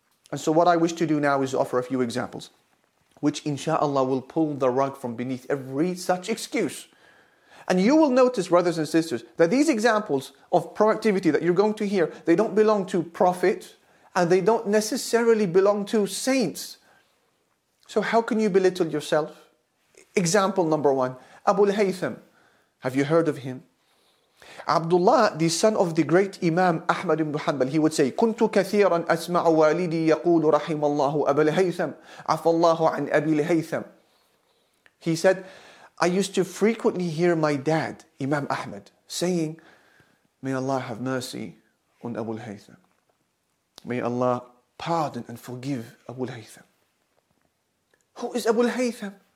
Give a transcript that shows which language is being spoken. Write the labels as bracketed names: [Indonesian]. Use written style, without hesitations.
[English] And so what I wish to do now is offer a few examples, which inshallah will pull the rug from beneath every such excuse. And you will notice, brothers and sisters, that these examples of proactivity that you're going to hear, they don't belong to prophets and they don't necessarily belong to saints. So how can you belittle yourself? Example number one, Abu al-Haytham. Have you heard of him? Abdullah, the son of the great Imam Ahmad ibn Hanbal, he would say, [Arabic] كُنْتُ كَثِيرًا أَسْمَعُ وَالِدِي يَقُولُ رَحِمَ اللَّهُ أَبَا الْهَيْثَمْ عَفَ اللَّهُ عَنْ أَبِي الْهَيْثَمْ. [English] He said, I used to frequently hear my dad, Imam Ahmad, saying, may Allah have mercy on Abu al-Haytham. May Allah pardon and forgive Abu al-Haytham. Who is Abu al-Haytham?